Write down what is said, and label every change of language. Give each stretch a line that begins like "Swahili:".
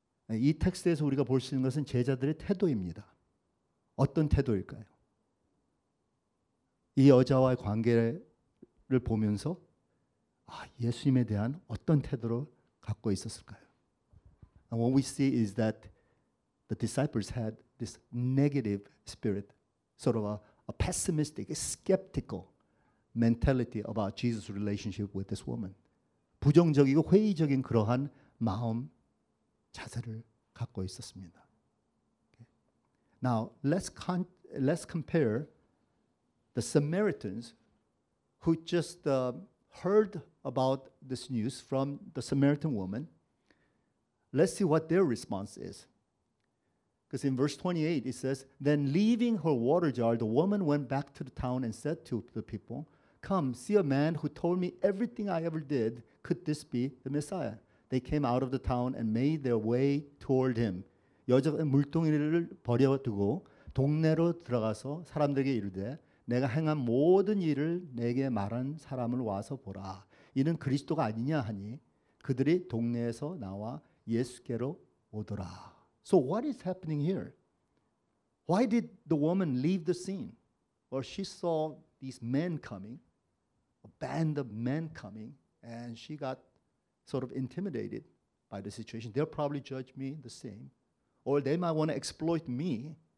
Korean: 이 텍스트에서 우리가 볼 수 있는 것은 제자들의 태도입니다. 어떤 태도일까요? 이 여자와의 관계를 보면서 예수님에 대한 어떤 태도로 갖고 있었을까요?
English: And what we see is that the disciples had this negative spirit, sort of a pessimistic, a skeptical mentality about Jesus' relationship with this woman.
Korean: 부정적이고 회의적인 그러한 마음 자세를 갖고 있었습니다.
English: Now, let's compare the Samaritans who just heard about this news from the Samaritan woman. Let's see what their response is. Because in verse 28, it says, then leaving her water jar, the woman went back to the town and said to the people, come, see a man who told me everything I ever did. Could this be the Messiah? They came out of the town and made their way toward him.
Korean: 여자가 물동이를 버려두고 동네로 들어가서 사람들에게 이르되 내가 행한 모든 일을 내게 말한 사람을 와서 보라. 이는 그리스도가 아니냐 하니 그들이 동네에서 나와 예수께로 오더라.
English: So what is happening here? Why did the woman leave the scene? Well, she saw these men coming, a band of men coming, and she got sort of intimidated by the situation. They'll probably judge me the same. Or they might want to exploit me.